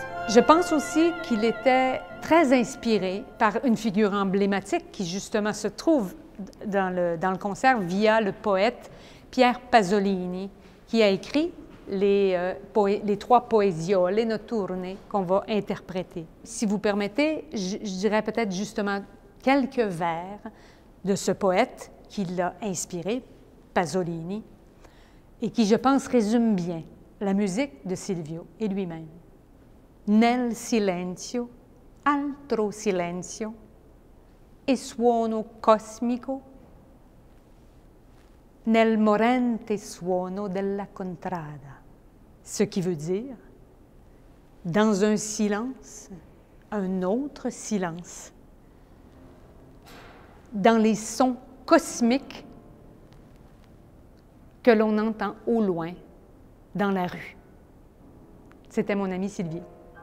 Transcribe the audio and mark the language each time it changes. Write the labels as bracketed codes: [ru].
[fr] Je pense aussi qu'il était très inspiré par une figure emblématique qui justement se trouve dans le concert via le poète Pierre Pasolini, qui a écrit les 3 poésioles notturne qu'on va interpréter. Si vous permettez, je dirais peut-être justement quelques vers de ce poète qui l'a inspiré, Pasolini, et qui, je pense, résume bien la musique de Silvio et lui-même. [it] Nel silenzio, altro silenzio, e suono cosmico, nel morente suono della contrada. [fr] Ce qui veut dire, dans un silence, un autre silence, dans les sons cosmiques que l'on entend au loin, dans la rue. C'était mon ami Sylvie.